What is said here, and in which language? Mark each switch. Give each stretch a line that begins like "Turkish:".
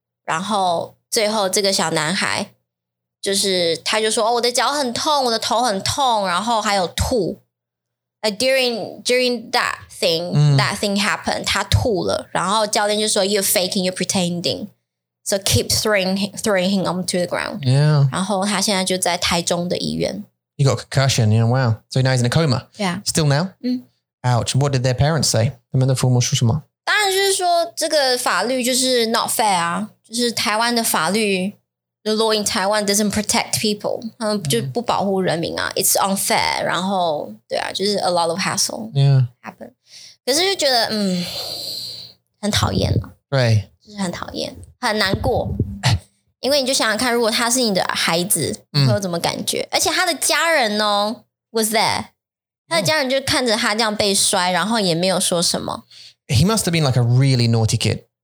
Chinese: 然后最后这个小男孩就是他就说、哦、我的脚很痛我的头很痛然后还有吐、
English: during that thing、
Chinese: mm.
English: that thing happened
Chinese: 他吐了然后教练就说
English: you're faking you're pretending so keep throwing him onto the ground yeah
Chinese: 然后他现在就在台中的医院
English: he got a concussion yeah wow so now he's in a coma yeah still now、 mm. ouch what did their parents say
Chinese: 他们的父母说什么当然就是说这个法律就是 not fair 啊就是台湾的法律
English: The law in Taiwan doesn't protect people.
Chinese: 他们就不保护人民啊。
English: It's unfair.
Chinese: 然后对啊，就是
English: a lot of hassle. Yeah. Happen.
Chinese: 可是就觉得很讨厌了。对。就是很讨厌，很难过。因为你就想想看，如果他是你的孩子，会有怎么感觉？而且他的家人呢 ，
English: was there?
Chinese: 他的家人就看着他这样被摔，然后也没有说什么。
English: He must have been like a really naughty kid.